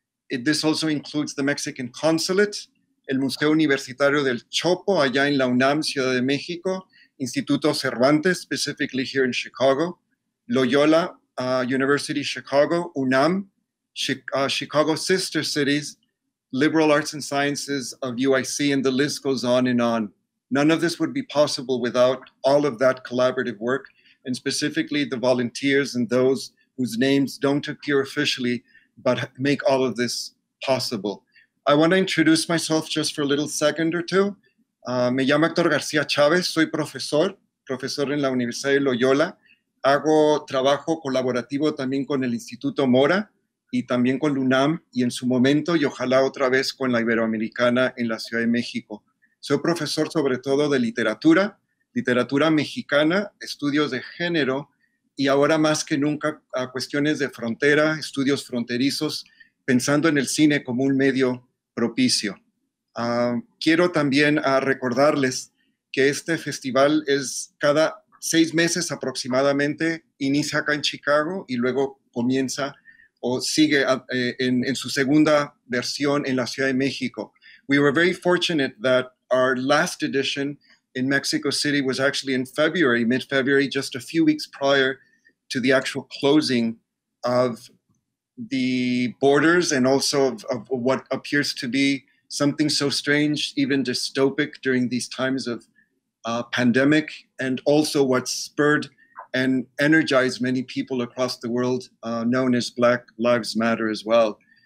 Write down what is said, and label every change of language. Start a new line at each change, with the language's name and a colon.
English: This also includes the Mexican Consulate,
Spanish: el Museo Universitario del Chopo, allá en la UNAM, Ciudad de México,
English: Instituto Cervantes, specifically here in Chicago, Loyola University Chicago, UNAM, Chicago Sister Cities, Liberal Arts and Sciences of UIC, and the list goes on and on. None of this would be possible without all of that collaborative work, and specifically the volunteers and those whose names don't appear officially, but make all of this possible. I want to introduce myself just for a little second or two.
Spanish: Me llamo Héctor García Chávez, soy profesor en la Universidad de Loyola. Hago trabajo colaborativo también con el Instituto Mora y también con LUNAM y en su momento y ojalá otra vez con la Iberoamericana en la Ciudad de México. Soy profesor sobre todo de literatura, literatura mexicana, estudios de género y ahora más que nunca a cuestiones de frontera, estudios fronterizos, pensando en el cine como un medio propicio. Quiero también recordarles que este festival es cada 6 meses aproximadamente, inicia acá en Chicago y luego comienza o sigue en su segunda versión en la Ciudad de México.
English: We were very fortunate that our last edition in Mexico City was actually in February, mid-February, just a few weeks prior to the actual closing of the borders and also of what appears to be something so strange, even dystopic during these times of pandemic, and also what spurred and energized many people across the world, known as Black Lives Matter as well.